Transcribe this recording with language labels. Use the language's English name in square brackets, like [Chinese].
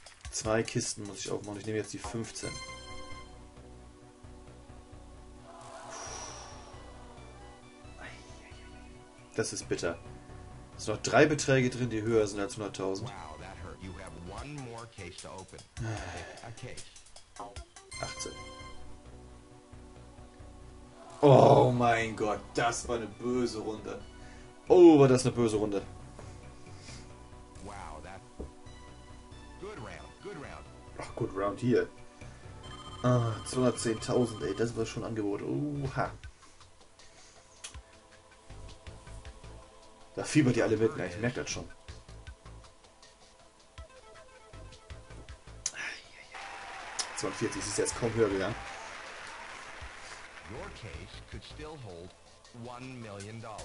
[German] Zwei Kisten muss ich aufmachen. Ich nehme jetzt die 15. Das ist bitter. Es sind noch drei Beträge drin, die höher sind als 100.000. [English] Wow, that hurt. You have one more case to open. A case. 18. [German] Oh mein Gott, das war eine böse Runde. Oh, war das eine böse Runde. [English] Wow, that... good round, good round. [German] Ach, [English] good round [German] hier. Ah, 210.000, ey, das war schon ein Angebot. Oha. Da fiebert ihr alle mit, ne? Ich merke das schon. Ah, 42 ist jetzt kaum höher gegangen. [English] Your case could still hold $1 million.